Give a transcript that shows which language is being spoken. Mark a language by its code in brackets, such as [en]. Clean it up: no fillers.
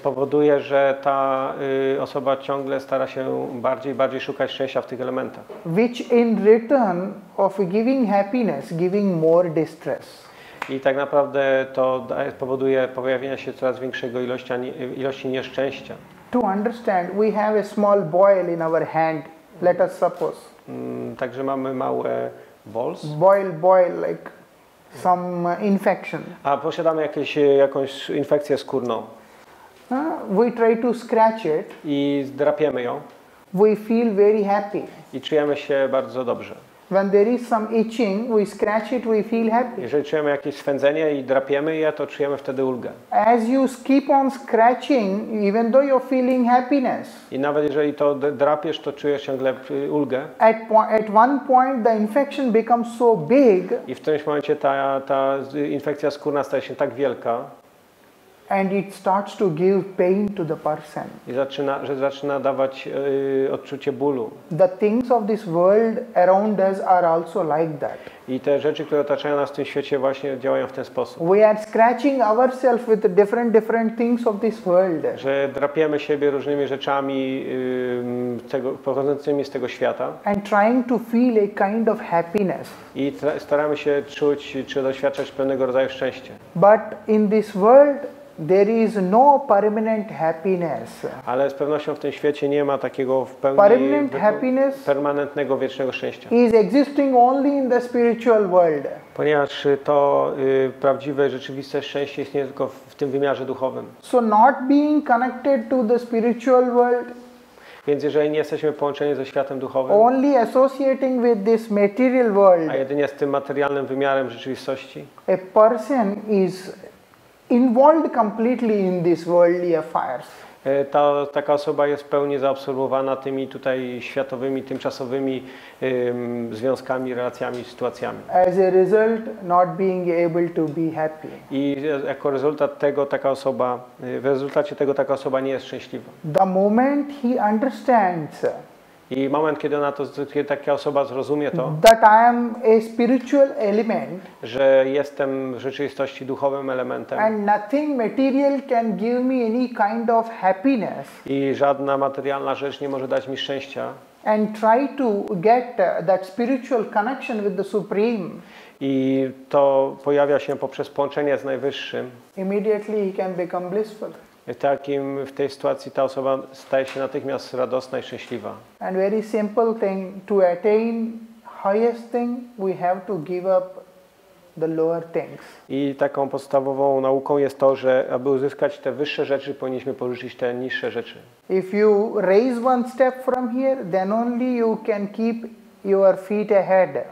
[pl] Powoduje, że ta osoba ciągle stara się bardziej i bardziej szukać szczęścia w tych elementach. [en] Which in return of giving happiness, giving more distress. [pl] I tak naprawdę to powoduje pojawienie się coraz większego ilości nieszczęścia. [en] To understand, we have a small boil in our hand. Let us suppose. [pl] Także mamy małe balls. [en] Boil, like some infection. [pl] A posiadamy jakąś infekcję skórną. [en] We try to scratch it. [pl] I zdrapiemy ją. [en] We feel very happy. [pl] I czujemy się bardzo dobrze. [en] When there is some itching, we scratch it, we feel happy. [pl] Jeżeli czujemy jakieś swędzenie i drapiemy je, to czujemy wtedy ulgę. [en] As you keep on scratching, even though you're feeling happiness. [pl] I nawet jeżeli to drapiesz, to czujesz ciągle ulgę. [en] At one point the infection becomes so big. [pl] I w którymś momencie ta infekcja skórna staje się tak wielka. [en] And it starts to give pain to the person. [pl] I zaczyna, że zaczyna dawać odczucie bólu. [en] The things of this world around us are also like that. [pl] I te rzeczy, które otaczają nas w tym świecie, właśnie działają w ten sposób. [en] We are scratching ourselves with different things of this world. [pl] Że drapiemy siebie różnymi rzeczami pochodzącymi z tego świata. [en] And trying to feel a kind of happiness. [pl] I staramy się czuć czy doświadczać pewnego rodzaju szczęście. [en] But in this world there is no permanent happiness. [pl] Ale z pewnością w tym świecie nie ma takiego w pełni permanentnego wiecznego szczęścia. [en] Is existing only in the spiritual world. [pl] Ponieważ to prawdziwe rzeczywiste szczęście istnieje tylko w tym wymiarze duchowym. [en] So not being connected to the spiritual world. [pl] Więc jeżeli nie jesteśmy połączeni ze światem duchowym, [en] only associating with this material world. [pl] A jedynie z tym materialnym wymiarem rzeczywistości. [en] A person is involved completely in these worldly affairs. [pl] Taka osoba jest w pełni zaabsorbowana tymi tutaj światowymi, tymczasowymi związkami, relacjami, sytuacjami. [en] As a result, not being able to be happy. [pl] I jako rezultat tego taka osoba, w rezultacie tego taka osoba nie jest szczęśliwa. [en] The moment he understands. [pl] I moment, kiedy ona to, kiedy taka osoba zrozumie to, [en] that I am a spiritual element, [pl] że jestem w rzeczywistości duchowym elementem, [en] and nothing material can give me any kind of happiness, [pl] i żadna materialna rzecz nie może dać mi szczęścia, [en] and try to get that spiritual connection with the Supreme, [pl] i to pojawia się poprzez połączenie z Najwyższym, [en] immediately he can become blissful. [pl] Takim w tej sytuacji ta osoba staje się natychmiast radosna i szczęśliwa. [en] And very simple thing, to attain highest thing, we have to give up the lower things. [pl] I taką podstawową nauką jest to, że aby uzyskać te wyższe rzeczy, powinniśmy porzucić te niższe rzeczy. [en] If you raise one step from here, then only you can keep your feet ahead.